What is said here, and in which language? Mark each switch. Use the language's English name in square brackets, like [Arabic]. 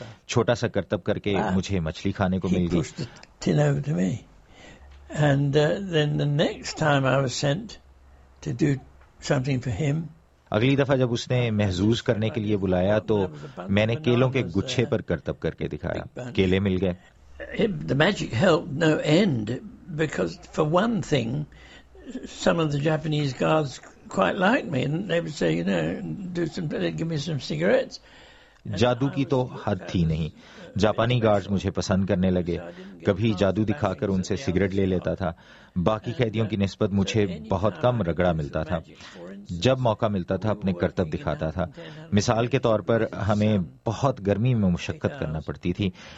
[Urdu] چھوٹا سا کرتب کر کے مجھے مچھلی کھانے کو مل گئی. اگلی دفعہ جب اس نے محظوظ کرنے کے لیے بلایا تو میں نے کیلوں کے گچھے پر کرتب کر کے دکھایا, کیلے مل گئے. [English] The magic helped no end because for one thing some of the Japanese guards quite liked me and they would say, you know, do some, give me some cigarettes. [Urdu] جادو کی تو حد تھی نہیں. جاپانی گارڈز مجھے پسند کرنے لگے. کبھی جادو دکھا کر ان سے سگریٹ لے لیتا تھا. باقی قیدیوں کی نسبت مجھے بہت کم رگڑا ملتا تھا. جب موقع ملتا تھا اپنے کرتب دکھاتا تھا. مثال کے طور پر ہمیں بہت گرمی میں مشقت کرنا پڑتی تھی.